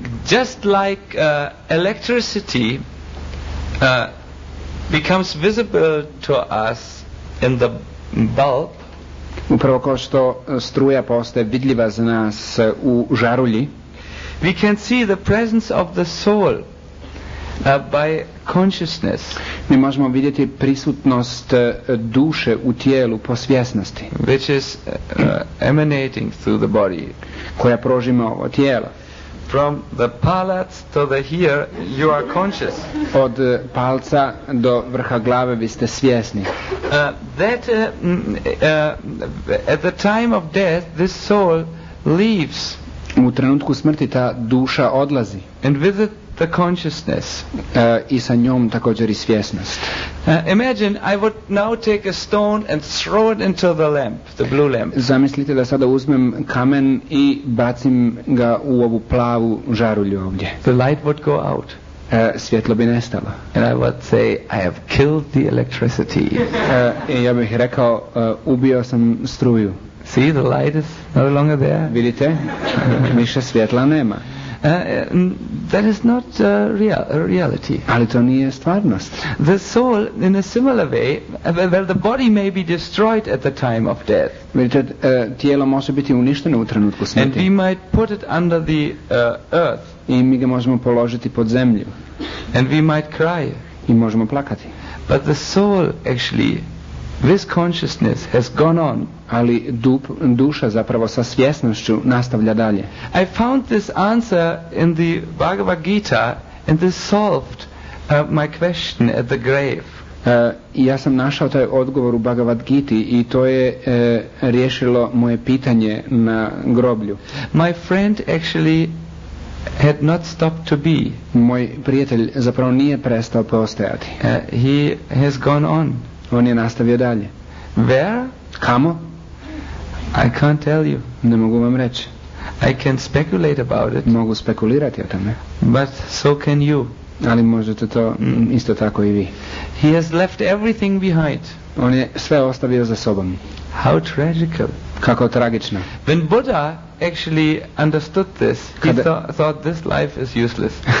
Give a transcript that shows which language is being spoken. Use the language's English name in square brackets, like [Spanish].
[English] Just like electricity becomes visible to us in the bulb. [Croatian] Upravo kao što struja postaje vidljiva za nas u žarulji. [English] We can see the presence of the soul by consciousness. [Croatian] Mi možemo vidjeti prisutnost duše u tijelu po svjesnosti. [English] Which is emanating through the body. [Croatian] Koja prožima ovo tijelo. [English] From the palate to the ear, you are conscious. [Croatian] Od palca do vrha glave vi ste svjesni. [English] At the time of death, this soul leaves. [Croatian] U trenutku smrti ta duša odlazi. [English] And with it the consciousness. [Croatian] I sa njom također i svjesnost. [English] Imagine I would now take a stone and throw it into the lamp, the blue lamp. [Croatian] Zamislite da sada uzmem kamen i bacim ga u ovu plavu žarulju ovdje. [English] The light would go out. [Croatian] Svjetlo bi nestalo. [English] And I would say I have killed the electricity. [Croatian] Ja bih rekao ubio sam struju. [English] See, the light is no longer there. [Croatian] Vidite, više svjetla nema. [English] That is not reality. [Croatian] Ali to nije stvarnost. [English] The soul, in a similar way, well, the body may be destroyed at the time of death. [Croatian] Vidite, tijelo može biti uništeno u trenutku smrti. [English] And we might put it under the earth. [Croatian] I mi ga možemo položiti pod zemlju. [English] And we might cry. [Croatian] I možemo plakati. [English] But the soul, actually, this consciousness has gone on. [Croatian] Ali duša zapravo sa svjesnošću nastavlja dalje. [English] I found this answer in the Bhagavad Gita and this solved my question at the grave. [Croatian] Ja sam našao taj odgovor u Bhagavad Giti i to je riješilo moje pitanje na groblju. [English] My friend actually had not stopped to be. [Croatian] Moj prijatelj zapravo nije prestao postojati. [English] He has gone on. [Croatian] On je nastavio dalje. [English] Where? [Croatian] Kamo? [English] I can't tell you. [Croatian] Ne mogu vam reći. [English] I can speculate about it. [Croatian] Mogu spekulirati o tome. [English] But so can you. [Croatian] Ali možete to isto tako i vi. [English] He has left everything behind. [Croatian] On je sve ostavio za sobom. [English] How tragical. [Croatian] Kako tragično. [English] When Buddha actually understood this, he thought this life is useless.